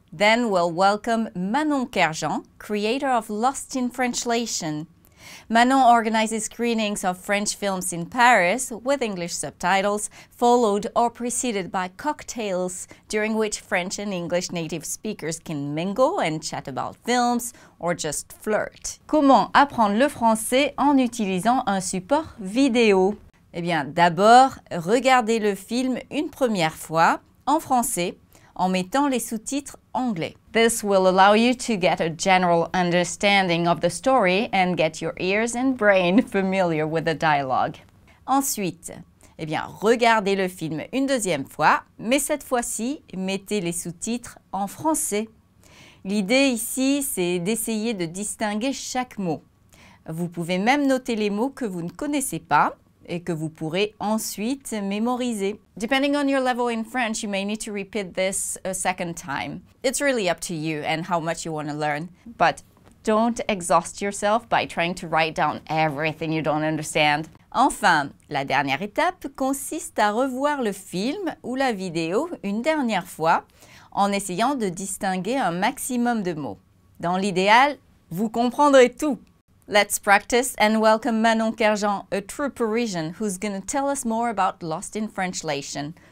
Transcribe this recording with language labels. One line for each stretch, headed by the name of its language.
English: Then we'll welcome Manon Kerjean, creator of Lost in Frenchlation. Manon organizes screenings of French films in Paris with English subtitles, followed or preceded by cocktails during which French and English native speakers can mingle and chat about films or just flirt.
French: Comment apprendre le français en utilisant un support vidéo? Eh bien, d'abord, regardez le film une première fois en français en mettant les sous-titres anglais.
English: This will allow you to get a general understanding of the story and get your ears and brain familiar with the dialogue.
French: Ensuite, eh bien, regardez le film une deuxième fois, mais cette fois-ci, mettez les sous-titres en français. L'idée ici, c'est d'essayer de distinguer chaque mot. Vous pouvez même noter les mots que vous ne connaissez pas et que vous pourrez ensuite mémoriser.
English: Depending on your level in French, you may need to repeat this a second time. It's really up to you and how much you want to learn. But don't exhaust yourself by trying to write down everything you don't understand.
French: Enfin, la dernière étape consiste à revoir le film ou la vidéo une dernière fois en essayant de distinguer un maximum de mots. Dans l'idéal, vous comprendrez tout.
English: Let's practice and welcome Manon Kerjean, a true Parisian who's going to tell us more about Lost in Frenchlation.